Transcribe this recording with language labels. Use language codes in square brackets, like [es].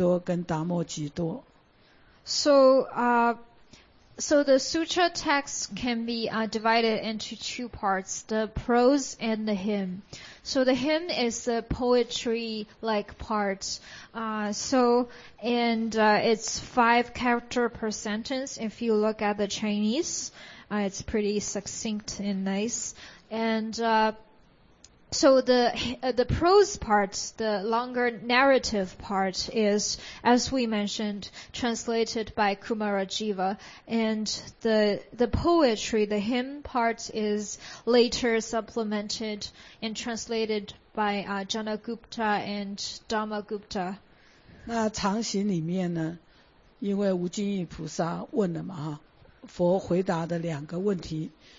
[zh] 所以呢，在普门品呢，常行呢，就是一般的散文体啊。那重诵呢，就是我们一般的偈子，在这边是五个字的一句，那刚刚也提了，常行是鸠摩罗什，那偈颂部分呢，就是舍那觉多跟达摩吉多。 [en] So So the sutra text can be divided into two parts, the prose and the hymn. So the hymn is the poetry-like part. It's 5 characters per sentence. If you look at the Chinese, it's pretty succinct and nice. And the prose part, the longer narrative part, is, as we mentioned, translated by Kumarajiva. And the poetry, the hymn part, is later supplemented and translated by Janagupta and Dhammagupta. [zh] 那常行里面呢，因为无尽意菩萨问了嘛，佛回答的两个问题。